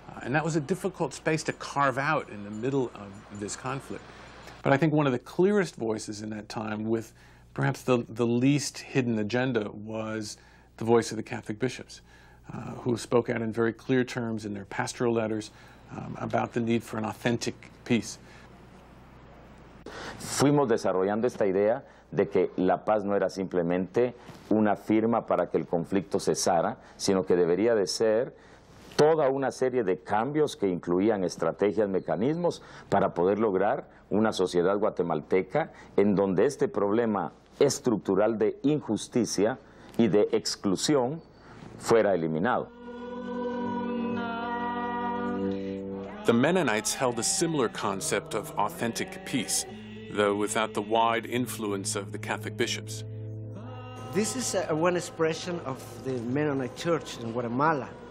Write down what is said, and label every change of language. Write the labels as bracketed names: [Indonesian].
[English] And that was a difficult space to carve out in the middle of this conflict. But I think one of the clearest voices in that time with perhaps the least hidden agenda was the voice of the Catholic bishops, who spoke out in very clear terms in their pastoral letters about the need for an authentic peace. [Spanish] Fuimos desarrollando esta idea de que la paz no era simplemente una firma para que el conflicto cesara, sino que debería de ser toda una serie de cambios que incluían estrategias, mecanismos para poder lograr una sociedad guatemalteca en donde este problema estructural de injusticia y de exclusión fuera eliminado. [English] The Mennonites held a similar concept of authentic peace, though without the wide influence of the Catholic bishops. This is one expression of the Mennonite Church in Guatemala.